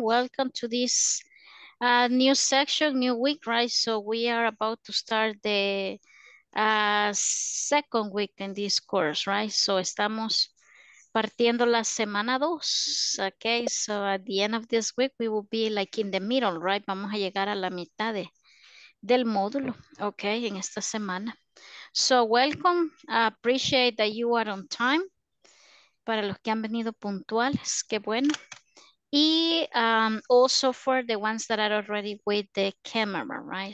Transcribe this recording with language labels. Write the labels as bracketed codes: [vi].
[en] Welcome to this new section, new week, right? So we are about to start the second week in this course, right? [es] So estamos partiendo la semana dos. [en] Okay, so at the end of this week, we will be like in the middle, right? [es] Vamos a llegar a la mitad del módulo, okay, en esta semana. [en] So welcome. Appreciate that you are on time. [es] Para los que han venido puntuales, qué bueno. [en] Y also for the ones that are already with the camera, right?